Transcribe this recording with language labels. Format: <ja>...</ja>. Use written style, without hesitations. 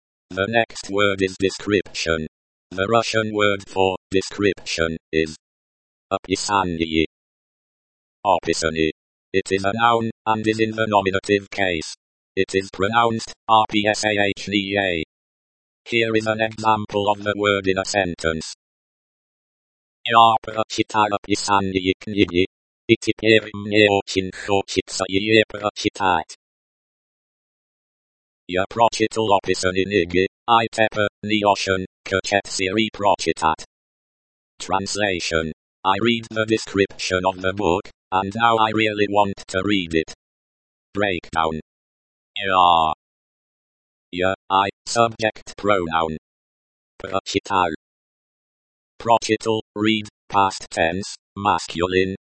<en>The next word is description. The Russian word for description is описание.</en> <ru>Описание.</ru> <en>It is a noun and is in the nominative case. It is pronounced описание. Here is an example of the word in a sentence.</en> <ru>Я прочитал описание книги. И теперь мне очень хочется ее прочитать. Я прочитал описание книги, I tepa, не очень, хочется ее прочитать.</ru> <en>Translation. I read the description of the book, and now I really want to read it. Breakdown.</en> <ru>Я,</ru> <en>I, subject pronoun.</en> <ru>Прочитал.</ru> <en>Прочитал, read, past tense, masculine.</en>